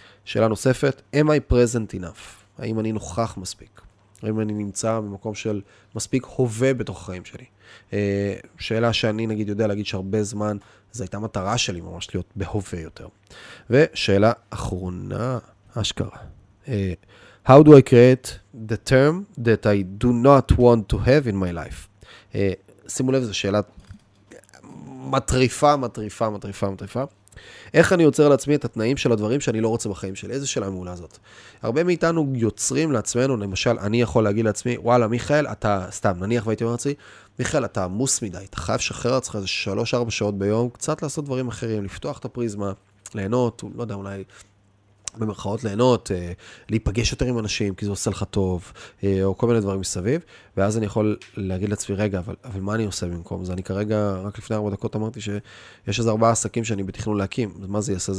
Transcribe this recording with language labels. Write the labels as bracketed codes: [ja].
[he] שאלה נוספת, [en] am I present enough? [he] האם אני נוכח מספיק? האם אני נמצא במקום של מספיק הווה בתוך החיים שלי? שאלה שאני נגיד יודע להגיד שהרבה זמן, זו הייתה מטרה שלי ממש להיות בהווה יותר. ושאלה אחרונה, אשכרה. [en] How do I create the term that I do not want to have in my life? [he] שימו לב, זו שאלה מטריפה, מטריפה, מטריפה, מטריפה. איך אני יוצר לעצמי את התנאים של הדברים שאני לא רוצה בחיים שלי? איזה שאלה מעולה זאת? הרבה מאיתנו יוצרים לעצמנו, למשל, אני יכול להגיד לעצמי, וואלה, מיכאל, אתה סתם, נניח והייתי אומר לעצמי, מיכאל, אתה עמוס מדי, אתה חייב שחרר עצמך איזה 3-4 שעות ביום, קצת לעשות דברים אחרים, לפתוח את הפריזמה, ליהנות, לא יודע, אולי במרכאות ליהנות, להיפגש יותר עם אנשים, כי זה עושה לך טוב, או כל מיני דברים מסביב, ואז אני יכול להגיד לעצמי, רגע, אבל מה אני עושה במקום זה? אני כרגע, רק לפני 4 דקות אמרתי שיש איזה 4 עסקים שאני בתכנון להקים, אז מה זה יעשה?